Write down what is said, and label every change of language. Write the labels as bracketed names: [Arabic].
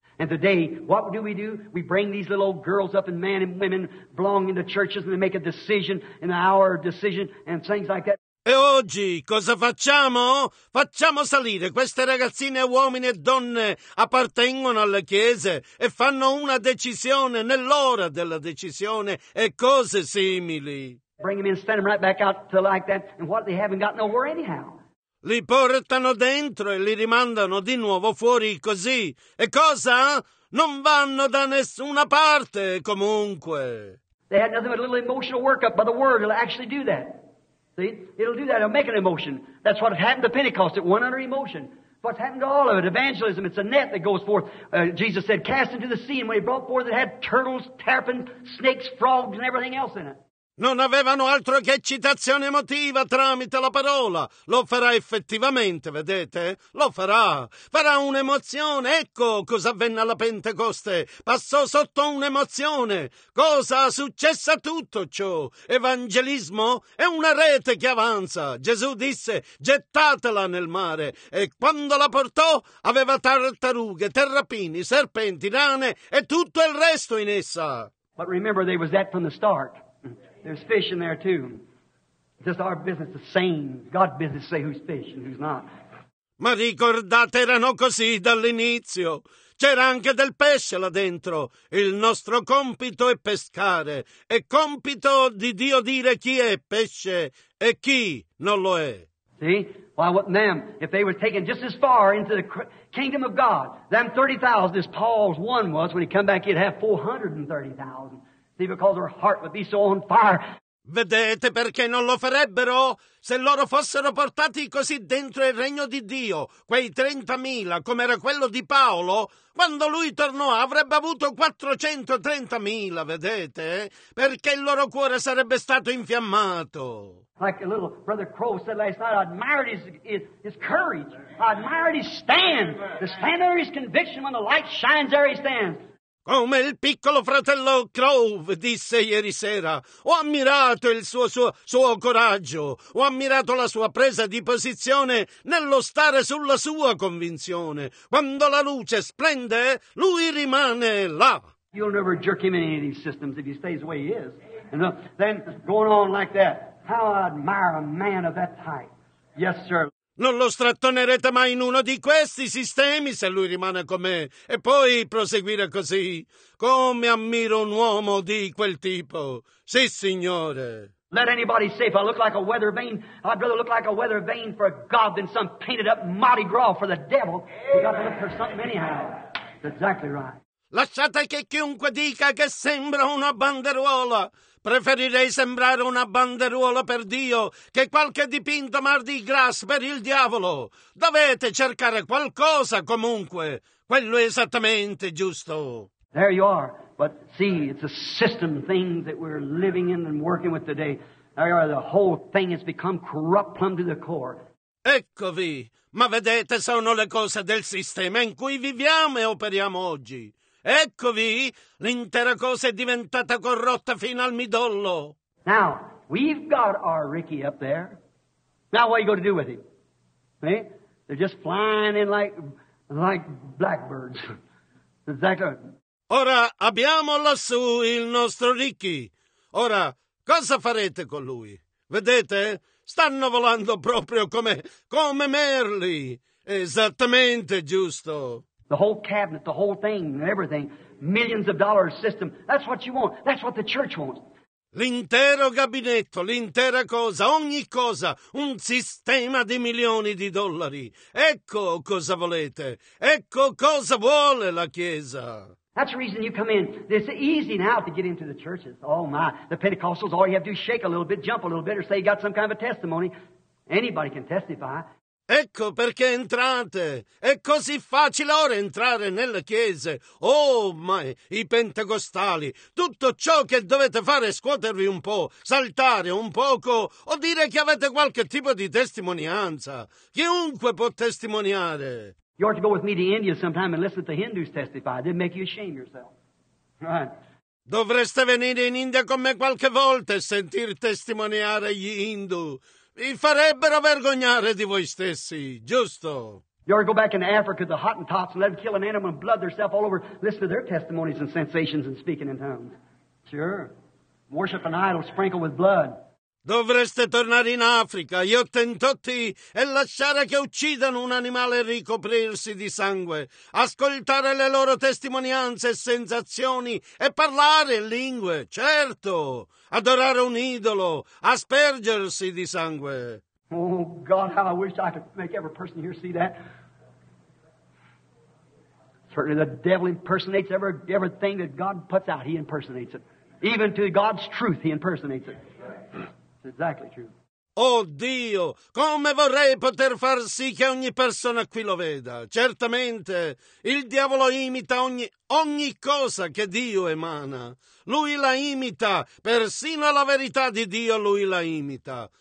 [English] And today, what do? We bring these little old girls up, and men and women belonging to churches, and they make a decision, an hour of decision, and things like that. [Italian] E oggi cosa facciamo? Facciamo salire queste ragazzine, uomini e donne appartengono alle chiese e fanno una decisione nell'ora della decisione e cose simili. [English] Bring them in, send them right back out to like that, and what they haven't got nowhere anyhow. [Italian] Li portano dentro e li rimandano di nuovo fuori così. E cosa? Non vanno da nessuna parte comunque. [English] They had nothing but a little emotional workup by the word to actually do that. See, it'll do that. It'll make an emotion. That's what happened to Pentecost. It went under emotion. What's happened to all of it? Evangelism, it's a net that goes forth. Jesus said, cast into the sea. And when he brought forth, it had turtles, terrapin, snakes, frogs, and everything else in it. [Italian] Non avevano altro che eccitazione emotiva tramite la parola. Lo farà effettivamente, vedete? Lo farà. Farà un'emozione. Ecco cosa avvenne alla Pentecoste. Passò sotto un'emozione. Cosa successe a tutto ciò? Evangelismo è una rete che avanza. Gesù disse, gettatela nel mare. E quando la portò, aveva tartarughe, terrapini, serpenti, rane e tutto il resto in essa. [English] But remember, there was that from the start. There's fish in there too. Just our business, the same. God's business to say who's fish and who's not. [Italian] Ma ricordate, erano così dall'inizio. C'era anche del pesce là dentro. Il nostro compito è pescare. È compito di Dio dire chi è pesce e chi non lo è. [English] See? Why, what, them, if they were taken just as far into the kingdom of God, them 30,000, as Paul's one was, when he come back, he'd have 430,000. See, because her heart would be so on fire. [Italian] Vedete perché non lo farebbero? Se loro fossero portati così dentro il regno di Dio, quei 30,000, come era quello di Paolo, quando lui tornò avrebbe avuto 430,000, vedete? Perché il loro cuore sarebbe stato infiammato. [English] Like a little brother Crow said last night, I admired his courage. I admired his stand. The stand there is conviction. When the light shines, there he stands. [Italian] Come il piccolo fratello Crowe disse ieri sera, ho ammirato il suo coraggio, ho ammirato la sua presa di posizione nello stare sulla sua convinzione. Quando la luce splende, lui rimane là. [English] You'll never jerk him in any of these systems if he stays the way he is. And then going on like that, how I admire a man of that type. Yes, sir. [Italian] Non lo strattonerete mai in uno di questi sistemi se lui rimane con me. E poi proseguire così. Come ammiro un uomo di quel tipo. Sì, signore. [English] Let anybody say if I look like a weather vane, I'd rather look like a weather vane for God than some painted up Mardi Gras for the devil. You got to look for something anyhow. That's exactly right. [Italian] Lasciate che chiunque dica che sembra una banderuola. Preferirei sembrare una banderuola per Dio che qualche dipinto Mardi Gras per il diavolo. Dovete cercare qualcosa comunque. Quello è esattamente giusto. [English] There you are. But see, it's a system thing that we're living in and working with today. There you are. The whole thing has become corrupt plumb to the core. [Italian] Eccovi. Ma vedete, sono le cose del sistema in cui viviamo e operiamo oggi. Eccovi, l'intera cosa è diventata corrotta fino al midollo. [English] Now, we've got our Ricky up there. Now what are you going to do with him? See? They're just flying in like blackbirds. Is that good? [Italian] Ora abbiamo lassù il nostro Ricky. Ora, Cosa farete con lui? Vedete? Stanno volando proprio come merli. Esattamente giusto. [English] The whole cabinet, the whole thing, everything. Millions of dollars system. That's what you want. That's what the church wants. [Italian] L'intero gabinetto, l'intera cosa, ogni cosa, un sistema di milioni di dollari. Ecco cosa volete. Ecco cosa vuole la Chiesa. [English] That's the reason you come in. It's easy now to get into the churches. Oh my, the Pentecostals, all you have to do is shake a little bit, jump a little bit, or say you got some kind of a testimony. Anybody can testify. [Italian] Ecco perché entrate. È così facile ora entrare nelle chiese. Oh, ma i pentecostali, tutto ciò che dovete fare è scuotervi un po', saltare un poco o dire che avete qualche tipo di testimonianza. Chiunque può testimoniare. [English] You ought to go with me to India sometime and listen to Hindus testify. It'd make you ashamed yourself. [Italian] Dovreste venire in India con me qualche volta e sentir testimoniare gli Hindu. Vi farebbero vergognare di voi stessi, giusto? [English] You ought to go back in Africa, the Hottentots, and let them kill an animal and blood themselves all over, listen to their testimonies and sensations and speaking in tongues. Sure. Worship an idol sprinkled with blood. [Italian] Dovreste tornare in Africa, gli Ottentotti, e lasciare che uccidano un animale e ricoprirsi di sangue, ascoltare le loro testimonianze e sensazioni e parlare in lingue, certo, adorare un idolo, aspergersi di sangue. [English] Oh, God, how I wish I could make every person here see that. Certainly the devil impersonates everything that God puts out, he impersonates it. Even to God's truth, he impersonates it. Exactly true. [Italian] Oh Dio, come vorrei poter far sì che ogni persona qui lo veda. Certamente, il diavolo imita ogni cosa che Dio emana. Lui la imita, persino la verità di Dio lui la imita.